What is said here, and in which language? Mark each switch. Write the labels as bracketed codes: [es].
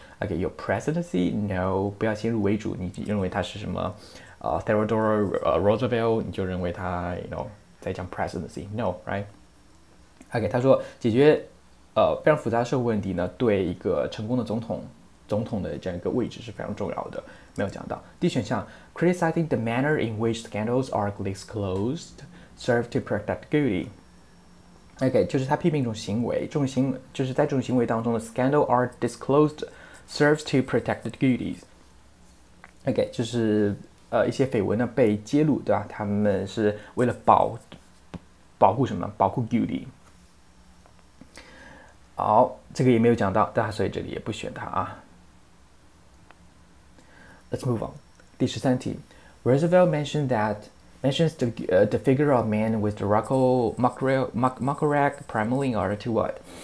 [zh] OK， 有 presidency， no， 不要先入为主，你认为他是什么？ Theodore Roosevelt， 你就认为他 在讲 presidency， no， right？ OK， 他说解决。非常复杂的社会问题呢，对一个成功的总统的这样一个位置是非常重要的。没有讲到 D 选项 [en] ，criticizing the manner in which scandals are disclosed serve to protect guilty。 OK， [zh] 就是他批评这种行为当中的 [en] scandal are disclosed serves to protect the guilty。 [zh] OK， 就是一些绯闻呢被揭露，对吧？他们是为了保护什么？保护 guilty。好，这个也没有讲到，所以这里也不选它啊。 [en] Let's move on. [zh] 第十三题 [en] ，Roosevelt mentions the figure of man with the Muck Rack primarily in order to what?